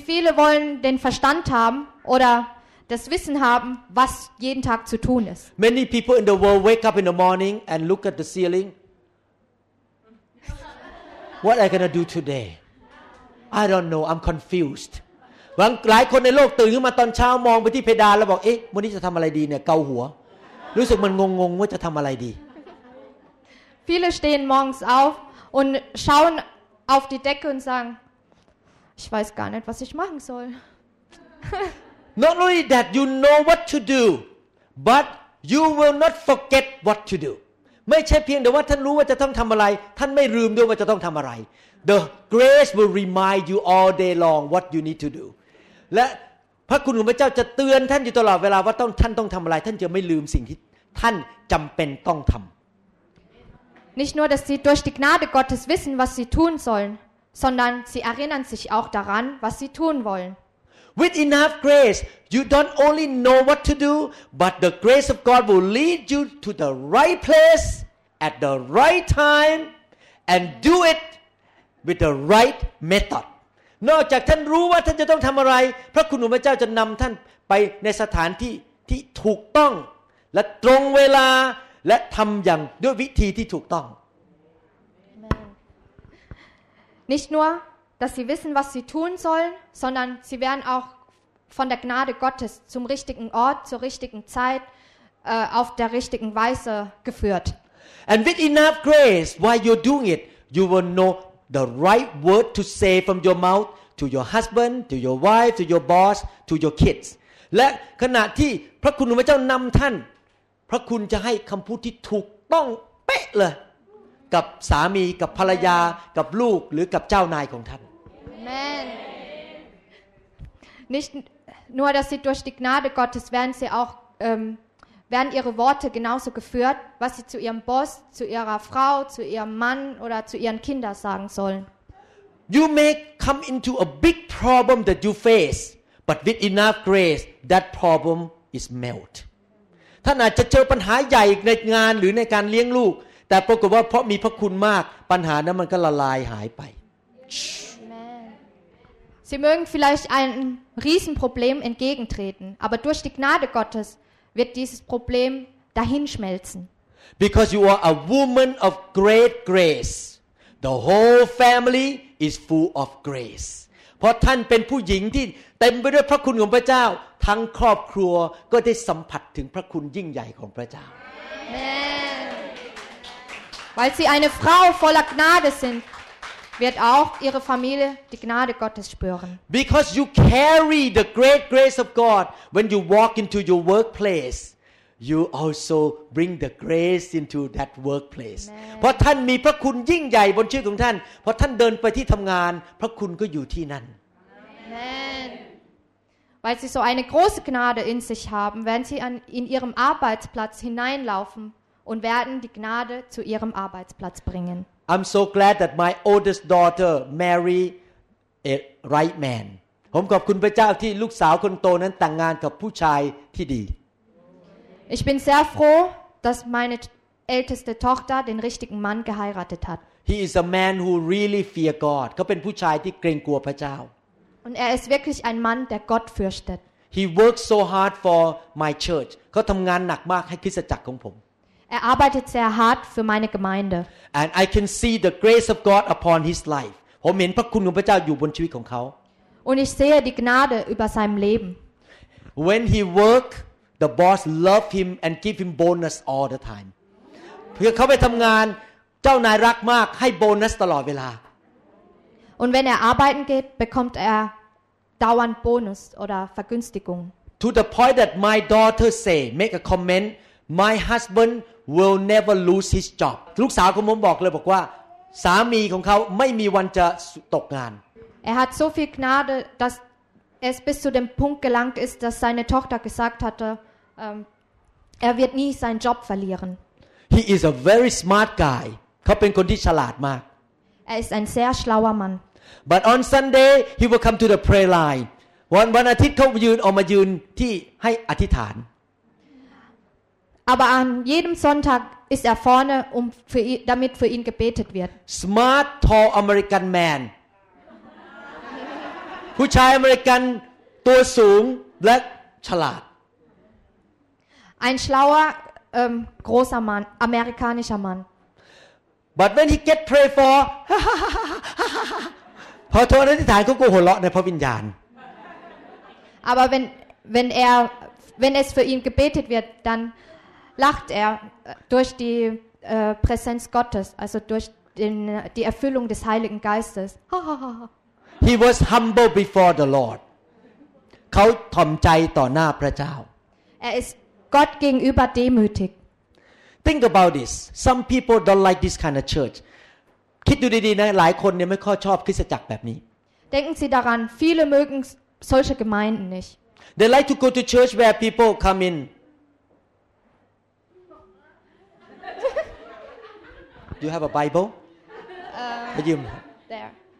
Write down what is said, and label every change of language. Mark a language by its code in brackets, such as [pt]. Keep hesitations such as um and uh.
[de] viele wollen den Verstand haben oder das Wissen haben, was jeden Tag zu tun ist? [en] Many people in the world wake up in the morning and look at the ceiling what I gonna do today I don't know I'm confused [th] บางหลายคนในโลกตื่นขึ้นมาตอนเช้ามองไปที่เพดานแล้วบอกเอ๊ะวันนี้จะทำอะไรดีเนี่ยเกาหัวรู้สึกมันงงๆว่าจะทำอะไรดี [de] viele stehen morgens auf und schauen auf die Decke und sagen ich weiß gar nicht was ich machen soll [en] not only that you know what to do [th] but you will not forget what to do ม่ใช่เพียงแต่ว่าท่านรู้ว่าจะต้องทําอะไร ท่านไม่ลืมด้วยว่าจะต้องทําอะไร [en] The grace will remind you all day long what you need to do [th] และพระคุณของพระเจ้าจะเตือนท่านอยู่ตลอดเวลาว่าต้องท่านต้องทําอะไร ท่านจะไม่ลืมสิ่งที่ท่านจําเป็นต้องทํา [de] Nicht nur, dass sie durch die Gnade Gottes wissen, was sie tun sollen, sondern sie erinnern sich auch daran, was sie tun wollen. [en] With enough grace, you don't only know what to do, but the grace of God will lead you to the right place at the right time and do it with the right method. [th] นอกจากท่านรู้ว่าท่านจะต้องทำอะไร พระคุณของพระเจ้าจะนำท่านไปในสถานที่ที่ถูกต้อง และตรงเวลาและทำอย่างด้วยวิธีที่ถูกต้อง [de] น i c h ัว dass sie wissen, was sie tun sollen, sondern sie werden auch von der Gnade Gottes zum richtigen Ort, zur richtigen Zeit, äh, auf der richtigen Weise geführt. [en] And with enough grace, while you're doing it, you will know the right word to say from your mouth to your husband, to your wife, to your boss, to your kids. [th] และขณะที่พระคุณพระเจ้านำท่าน พระคุณจะให้คำพูดที่ถูกต้องเป๊ะเลยกับสามีกับภรรยา กับลูกหรือกับเจ้านายของท่าน Amen. [de] Nicht nur, dass sie durch die Gnade Gottes werden, sie auch ähm, werden ihre Worte genauso geführt, was sie zu ihrem Boss, zu ihrer Frau, zu ihrem Mann oder zu ihren Kindern sagen sollen. [en] You may come into a big problem that you face, but with enough grace, that problem is melt. [th] ท่านอาจจะเจอปัญหาใหญ่ในงานหรือในการเลี้ยงลูกแต่ปรากฏว่าเพราะมีพระคุณมากปัญหานั้นมันก็ละลายหายไป [de] Sie mögen vielleicht ein Riesenproblem entgegentreten, aber durch die Gnade Gottes wird dieses Problem dahinschmelzen. [en] Because you are a woman of great grace, the whole family is full of grace. [th] เพราะท่านเป็นผู้หญิงที่เต็มไปด้วยพระคุณของพระเจ้า ทั้งครอบครัวก็ได้สัมผัสถึงพระคุณยิ่งใหญ่ของพระเจ้า Amen. [de] weil sie eine Frau voller Gnade sind, wird auch ihre Familie die Gnade Gottes spüren. [en] Because you carry the great grace of God when you walk into your workplace, you also bring the grace into that workplace. [th] เพราะท่านมีพระคุณยิ่งใหญ่บนชีวิตของท่านเพราะท่านเดินไปที่ทำงานพระคุณก็อยู่ที่นั่น [de] weil sie so eine große Gnade in sich haben, wenn sie an, in ihrem Arbeitsplatz hineinlaufen, und werden die Gnade zu ihrem Arbeitsplatz bringen. [en] I'm so glad that my oldest daughter m a r i e d a right man. [th] ผมขอบคุณพระเจ้าที่ลูกสาวคนโตนั้นแต่งงานกับผู้ชายที่ดี [de] Ich bin sehr froh, dass meine älteste Tochter den richtigen Mann geheiratet hat. [en] He is a man who really fear God. [th] เขาเป็นผู้ชายที่เกรงกลัวพระเจ้า [de] Und er ist wirklich ein Mann, der Gott fürchtet. [en] He works so hard for my church. [th] เขาทำงานหนักมากให้คริสตจักรของผม [de] Er arbeitet sehr hart für meine Gemeinde. [en] And I can see the grace of God upon his life. [th] ผมเห็นพระคุณของพระเจ้าอยู่บนชีวิตของเขา [de] Und ich sehe die Gnade über seinem Leben. [en] When he work, the boss love him and give him bonus all the time. [th] เพื่อเขาไปทำงานเจ้านายรักมากให้โบนัสตลอดเวลา [de] Und wenn er arbeiten geht, bekommt er dauernd Bonus oder Vergünstigung. [en] To the point that my daughter say, make a comment, my husband will never lose his job [th] ลูกสาวของผมบอกเลยบอกว่าสามีของเขาไม่มีวันจะตกงาน [de] er hat so viel Gnade dass es bis zu dem Punkt gelangt ist dass seine Tochter gesagt hatte um, er wird nie seinen Job verlieren [en] he is a very smart guy [th] เขาเป็นคนที่ฉลาดมาก [de] er ist ein sehr schlauer Mann [en] but on Sunday he will come to the prayer line [th] วันวันอาทิตย์เขายืนออกมายืนที่ให้อธิษฐาน [de] Aber an jedem Sonntag ist er vorne, um für ihn, damit für ihn gebetet wird. [en] Smart tall American man. [th] ผู้ชายอเมริกันตัวสูงและฉลาด [de] Ein schlauer ähm, großer Mann, amerikanischer Mann. [en] But when he get pray for, [th] พอโทษอธิษฐานก็กหัวเราะในพระวิญญาณ [de] Aber wenn wenn er wenn es für ihn gebetet wird, dann lacht er durch die uh, Präsenz Gottes, also durch den, die Erfüllung des Heiligen Geistes. [en] He was humble before the Lord. [th] เขาทอมใจต่อหน้าพระเจ้า [de] As God gegenüber demütig [en] Think about this some people don't like this kind of church [th] คิดดูดีๆนะ หลายคนเนี่ยไม่ค่อยชอบคริสตจักรแบบนี้ [de] Denken Sie daran viele mögen solche Gemeinden nicht [en] They like to go to church where people come in Do you have a Bible? Uh, you, there.